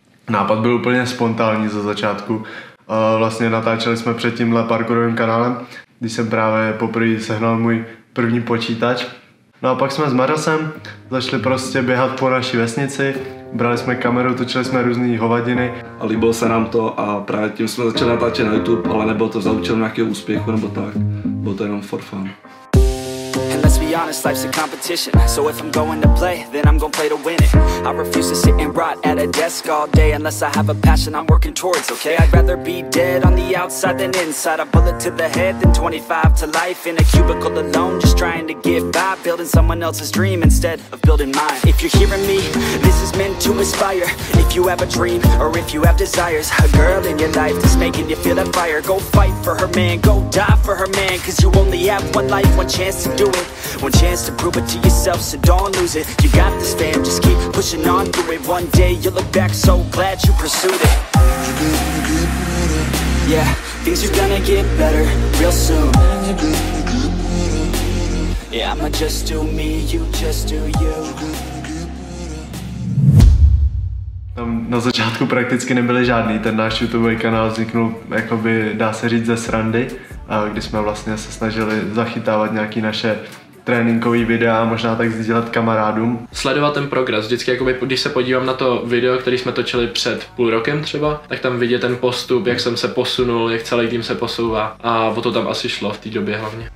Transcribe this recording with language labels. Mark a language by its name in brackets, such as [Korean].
[Czech] Nápad byl úplně spontánní ze začátku. Vlastně natáčeli jsme před tímhle parkourovým kanálem, když jsem právě poprvé sehnal můj první počítač. No a pak jsme s Marasem začali prostě běhat po naší vesnici. Brali jsme kameru, točili jsme různé hovadiny. A líbilo se nám to a právě tím jsme začali natáčet na YouTube, ale nebylo to za účelem nějakého úspěchu nebo tak. Bylo to jenom [English] for fun. Honest, life's a competition, so if I'm going to play, then I'm gonna play to win it. I refuse to sit and rot at a desk all day unless I have a passion I'm working towards, okay? I'd rather be dead on the outside than inside, a bullet to the head than 25 to life in a cubicle alone, just trying to get by, building someone else's dream instead of building mine. If you're hearing me, this is meant to inspire. If you have a dream or if you have desires, a girl in your life that's making you feel that fire, go fight for her man, go die for her man, cause you only have one life, one chance to do it. One chance to prove it to yourself, so don't lose it. You got this fam, just keep pushing on through it. One day you'll look back so glad you pursued it. You're getting better. Yeah, things are gonna get better real soon. You're getting better. Yeah, I'ma just do me, you just do you. [Czech] Tam na začátku prakticky nebyly žádný, ten náš YouTube kanál vzniknul, jakoby dá se říct, ze srandy, kdy jsme vlastně se snažili zachytávat nějaký naše tréninkový videa, možná tak sdílet kamarádům. Sledovat ten progres, vždycky jakoby, když se podívám na to video, který jsme točili před půl rokem třeba, tak tam vidět ten postup, jak jsem se posunul, jak celý tým se posouvá a o to tam asi šlo v té době hlavně.